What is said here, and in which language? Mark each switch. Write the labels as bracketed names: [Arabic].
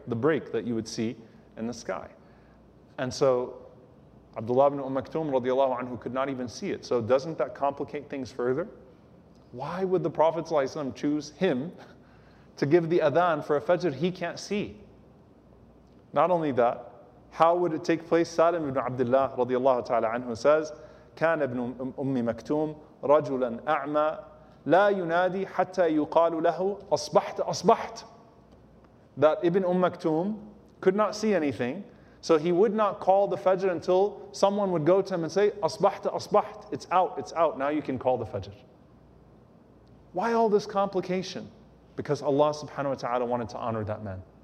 [English] The break that you would see in the sky. And so Abdullah ibn Maktum radiallahu anhu could not even see it. So doesn't that complicate things further? Why would the Prophet ﷺ choose him to give the adhan for a fajr he can't see? Not only that, how would it take place? [Arabic] Salim ibn Abdullah radiallahu ta'ala anhu [English] says, [Arabic] كان ابن أمي مكتوم رجلا أعمى لا ينادي حتى يقال له أصبحت أصبحت. [English] That Ibn Umm Maktum could not see anything, so he would not call the Fajr until someone would go to him and say, [Arabic] أصبحت أصبحت, [English] it's out, now you can call the Fajr. Why all this complication? Because Allah subhanahu wa ta'ala wanted to honor that man.